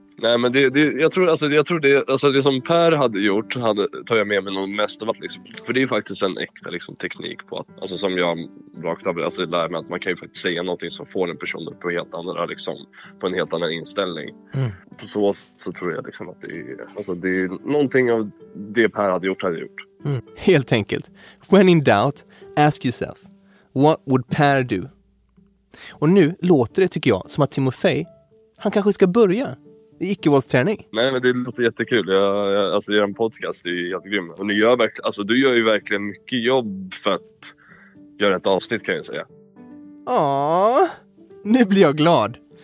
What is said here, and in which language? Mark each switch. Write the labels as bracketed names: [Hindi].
[Swedish] Nej, men jag tror det som Per hade gjort hade tagit med mig något mest av allt liksom, för det är ju faktiskt en äkta liksom teknik på att, alltså som jag rakt av, alltså lär mig att man kan ju faktiskt säga någonting som får en person på helt andra liksom, på en helt annan inställning. Mm. På så sätt så tror jag liksom att det är, alltså det är någonting av det Per hade gjort. Mm. Helt enkelt. [English] When in doubt, ask yourself, what would Per do? [Swedish] Och nu låter det, tycker jag, som att Timofey, han kanske ska börja icke-våldsträning. Nej, men det låter jättekul. Jag gör en podcast, det är jättegrym. Och du gör ju verkligen mycket jobb för att göra ett avsnitt, kan jag säga. Ja, nu blir jag glad.